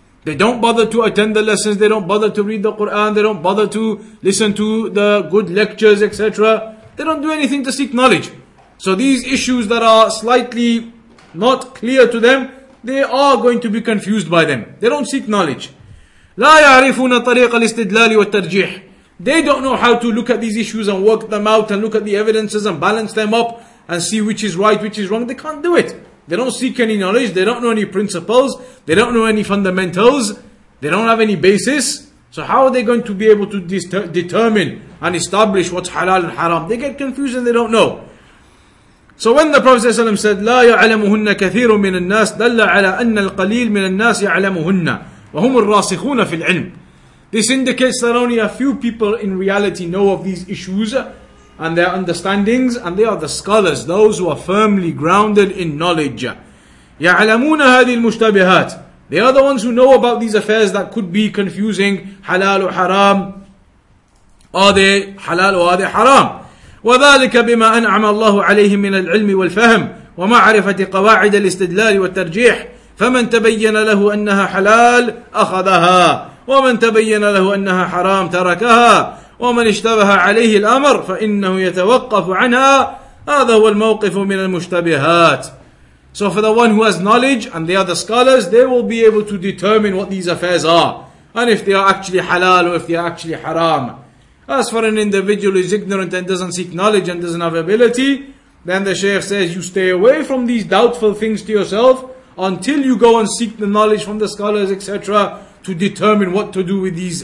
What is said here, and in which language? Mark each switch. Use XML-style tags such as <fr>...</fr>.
<en>They don't bother to attend the lessons. They don't bother to read the Quran. They don't bother to listen to the good lectures, etc. They don't do anything to seek knowledge. So these issues that are slightly not clear to them, they are going to be confused by them. They don't seek knowledge.</en> <ar>لا يعرفون طريق الاستدلال والترجيح.</ar> <en>They don't know how to look at these issues and work them out and look at the evidences and balance them up and see which is right, which is wrong. They can't do it. They don't seek any knowledge. They don't know any principles. They don't know any fundamentals. They don't have any basis. So how are they going to be able to determine and establish what's halal and haram? They get confused and they don't know. So when the Prophet ﷺ said,</en> <ar>لا يعلمهن كثير من الناس دل على أن القليل من الناس يعلمهن وهم الراسخون في العلم.</ar> <en>This indicates that only a few people in reality know of these issues and their understandings, and they are the scholars, those who are firmly grounded in knowledge.</en> <ar>يَعْلَمُونَ هَذِي الْمُشْتَبِهَاتِ.</ar> <en>They are the ones who know about these affairs that could be confusing, halal or haram. Are they halal or are they haram?</en> <ar>وَذَلِكَ بِمَا أَنْعَمَ اللَّهُ عَلَيْهِمْ مِنَ الْعِلْمِ وَالْفَهْمِ وَمَعْرِفَةِ قَوَاعِدَ الْإِسْتِدْلَالِ وَالتَّرْجِيحِ فَمَنْ تَبَيَّنَ لَهُ أَنَّهَا حَلَالٌ أَخَذَهَا ومن تبين له أنها حرام تركها ومن اشتبه عليه الأمر فإنه يتوقف عنها هذا هو الموقف من المشتبهات.</ar> <en>So for the one who has knowledge and the other scholars, they will be able to determine what these affairs are and if they are actually halal or if they are actually haram. As for an individual who is ignorant and doesn't seek knowledge and doesn't have ability, then the Shaykh says, you stay away from these doubtful things to yourself until you go and seek the knowledge from the scholars, etc., to determine what to do with these.</en>